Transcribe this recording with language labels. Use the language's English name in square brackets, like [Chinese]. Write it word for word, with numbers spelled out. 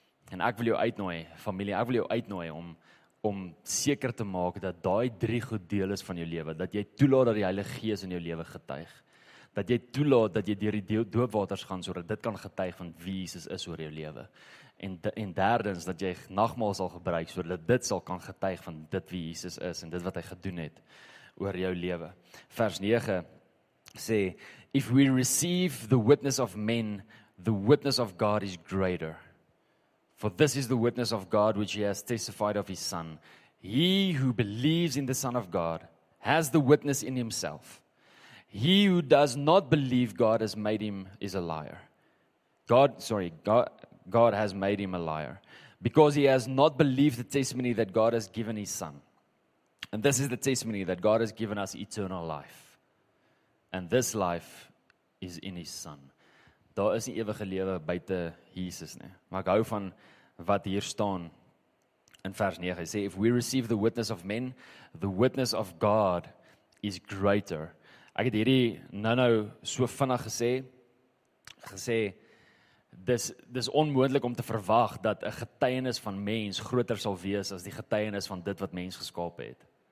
[Afrikaans] En ek wil jou uitnooi, familie, ek wil jou uitnooi om om seker te maak dat daai drie goed deel is van jou lewe, dat jy toelaat dat die Heilige Gees in jou lewe getuig, dat jy toelaat dat jy deur die doopwaters gaan, sodat dit kan getuig van wie Jesus is oor jou lewe. En, en derdens, dat jy nagmaal sal gebruik, sodat dit sal kan getuig van dit wie Jesus is, en dit wat hy gedoen het oor jou lewe. Vers nege sê, [English] if we receive the witness of men, the witness of God is greater. For this is the witness of God which he has testified of his Son. He who believes in the Son of God has the witness in himself. He who does not believe God has made him is a liar. God, sorry, God, God has made him a liar, because he has not believed the testimony that God has given his Son. And this is the testimony that God has given us eternal life. And this life is in his Son. [Afrikaans] Daar is nie ewige lewe buite Jesus nie. Maar ek hou van wat hier staan in vers nege. Hy sê, [English] if we receive the witness of men, the witness of God is greater. [Afrikaans] Ek het hierdie nou nou so vinnig gesê, gesê, dis, dis onmoontlik om te verwag dat 'n getuienis van mens groter sal wees as die getuienis van dit wat mens geskaap het.